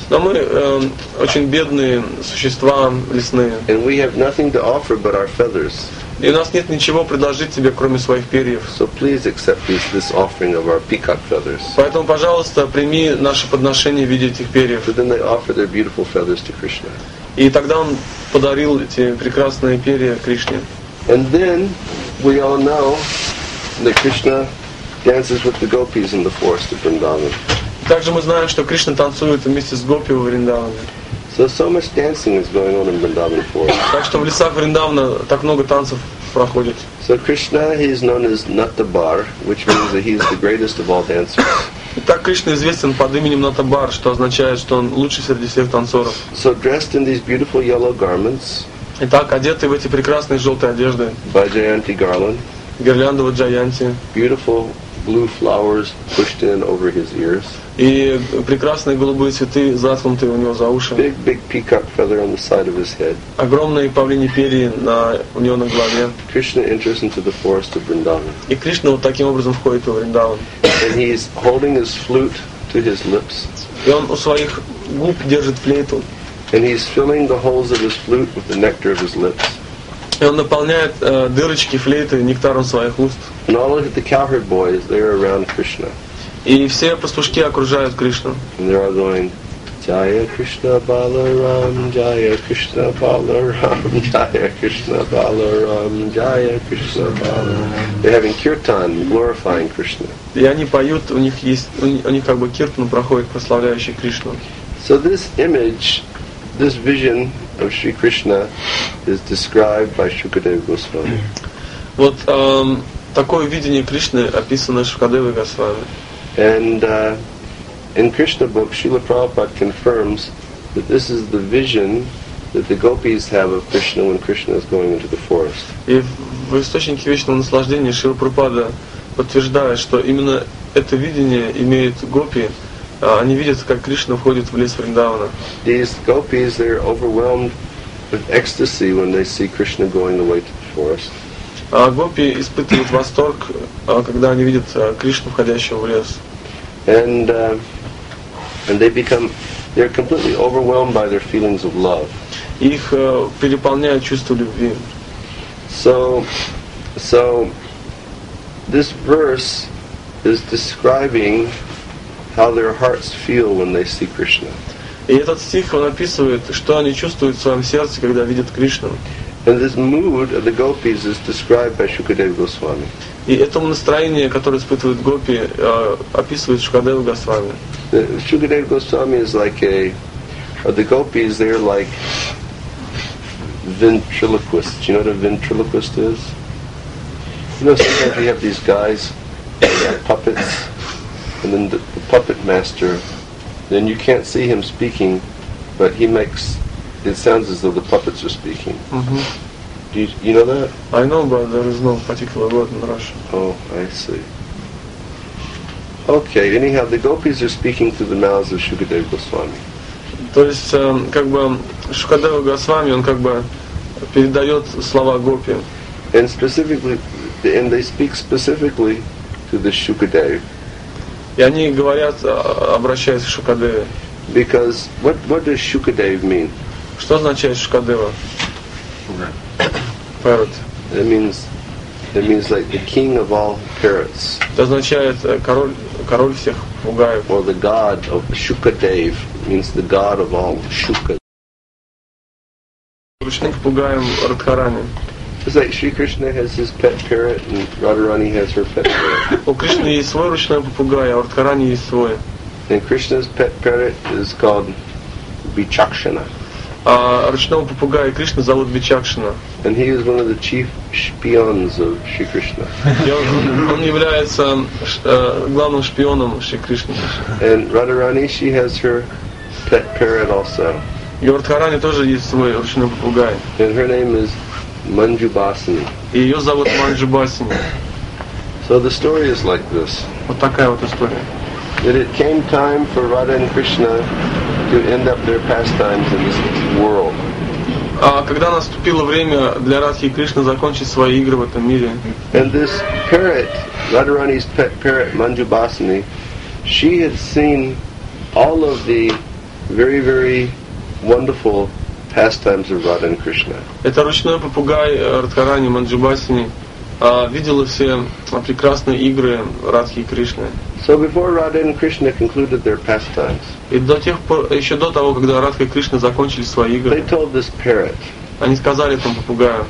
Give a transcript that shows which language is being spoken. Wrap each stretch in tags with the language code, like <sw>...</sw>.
<ru>Но мы очень бедные существа лесные.</ru> <en>And we have nothing to offer but our feathers.</en> <ru>И у нас нет ничего предложить тебе, кроме своих перьев.</ru> <en>So please accept this offering of our peacock feathers.</en> <ru>Поэтому, пожалуйста, прими наше подношение в виде этих перьев.</ru> <en>So then they offer their beautiful feathers to Krishna.</en> <ru>И тогда он подарил эти прекрасные перья Кришне.</ru> <en>And then we all know that Krishna dances with the gopis in the forest of Vrindavan.</en> <ru>Также мы знаем, что Кришна танцует вместе с гопи в Вриндаване.</ru> <en>So much dancing is going on in Vrindavan forest.</en> <ru>Так что в лесах Вриндавана так много танцев проходит.</ru> <en>So Krishna, he is known as Natabar, which means that he is the greatest of all dancers.</en> <ru>Итак, Кришна известен под именем Натабар, что означает, что он лучший среди всех танцоров.</ru> <en>So dressed in these beautiful yellow garments.</en> <ru>Итак, одетый в эти прекрасные желтые одежды.</ru> <en>Vajrayanti garland.</en> <ru>Гирляндово джаянти.</ru> <en>Beautiful blue flowers pushed in over his ears.</en> <ru>И прекрасные голубые цветы заткнуты у него за уши.</ru> <en>Big, big peacock feather on the side of his head.</en> <ru>Огромные павлиньи перья на у него на голове.</ru> <en>Krishna enters into the forest of Vrindavan.</en> <ru>И Кришна вот таким образом входит в Вриндаван.</ru> <en>And he is holding his flute to his lips.</en> <ru>И он у своих губ держит флейту.</ru> <en>And he is filling the holes of his flute with the nectar of his lips.</en> <ru>И он наполняет дырочки флейты нектаром своих уст.</ru> <en>And all of the cowherd boys, they are around Krishna.</en> <ru>И все пастушки окружают Кришну.</ru> <en>And they are going, Jaya Krishna Balaram, Jaya Krishna Balaram, Jaya Krishna Balaram, Jaya Krishna Balaram. They're having kirtan, glorifying Krishna.</en> <ru>И они поют, у них есть, у них как бы киртан проходит, прославляющий Кришну.</ru> <en>So this image, this vision of Sri Krishna is described by Shukadeva Goswami.</en> <ru>Вот такое видение Кришны описано Шукадевой Госвами.</ru> <en>And in Krishna book, Srila Prabhupada confirms that this is the vision that the gopis have of Krishna when Krishna is going into the forest.</en> <ru>И в источнике вечного наслаждения Шрила Прабхупада подтверждает, что именно это видение имеют гопи. Они видят, как Кришна входит в лес Вриндавана.</ru> <en>These gopis, they're overwhelmed with ecstasy when they see Krishna going away to the forest.</en> <ru>А гопи испытывают восторг, когда они видят Кришну входящего в лес.</ru> <en>And they become, they're completely overwhelmed by their feelings of love.</en> <ru>Их переполняет чувство любви.</ru> <en>So this verse is describing how their hearts feel when they see Krishna.</en> <ru>И этот стих он описывает, что они чувствуют в своем сердце, когда видят Кришну.</ru> <en>And this mood of the gopis is described by Shukadeva Goswami.</en> <ru>И это настроение, которое испытывают гопи, описывает Шукадева Госвами.</ru> <en>Shukadeva Goswami is like a, the gopis, they're like ventriloquists. Do you know what a ventriloquist is? You know, sometimes you have these guys, they have puppets, and then the puppet master, then you can't see him speaking, but he makes, it sounds as though the puppets are speaking. Mm-hmm. Do you know that? I know, but there is no particular word in Russian. Oh, I see. Okay, anyhow, the gopis are speaking through the mouths of Shukadeva Goswami.</en> <ru>То есть, как бы, Шукадева Госвами, он как бы передает слова гопи.</ru> <en>And specifically, and they speak specifically to the Shukadeva.</en> <ru>И они говорят, обращаясь к Шукадеве.</ru> <en>Because what does Shukadev mean?</en> <ru>Что означает Шукадева?</ru> <en>Parrot. It means It means like the king of all parrots.</en> <ru>Это означает король всех попугаев.</ru> <en>Or the god of Shukadev means the god of all Shukas.</en> <ru>Ручных попугаев Радхарани.</ru> <en>It's like Sri Krishna has his pet parrot and Radharani has her pet parrot.</en> <ru>У Кришны есть свой ручной попугай, а Радхарани есть свой.</ru> <en>And Krishna's pet parrot is called Vichakshana.</en> <ru>А ручного попугая Кришны зовут Вичакшина.</ru> <en>And he is one of the chief spions of Sri Krishna.</en> <ru>Он является главным шпионом Шри Кришны.</ru> <en>And Radharani, she has her pet parrot also.</en> <ru>И Радхарани тоже есть свой ручной попугай.</ru> <en>And her name is Манджубасини.</en> <ru>И ее зовут Манджубасини.</ru> <en>So the story is like this.</en> <ru>Вот такая вот история.</ru> <en>That it came time for Radha and Krishna to end up their pastimes in this world.</en> <ru>Когда наступило время для Радхи и Кришны закончить свои игры в этом мире.</ru> <en>And this parrot, Radharani's pet parrot, Манджубасини, she had seen all of the very, very wonderful pastimes of Radha and Krishna.</en> <ru>Это ручной попугай Радхарани Манджубасини видела все прекрасные игры Радхи и Кришны.</ru> <en>So before Radha and Krishna concluded their pastimes.</en> <ru>И до тех пор, еще до того, когда Радха и Кришна закончили свои игры.</ru> <en>They told this parrot.</en> <ru>Они сказали этому попугаю.</ru>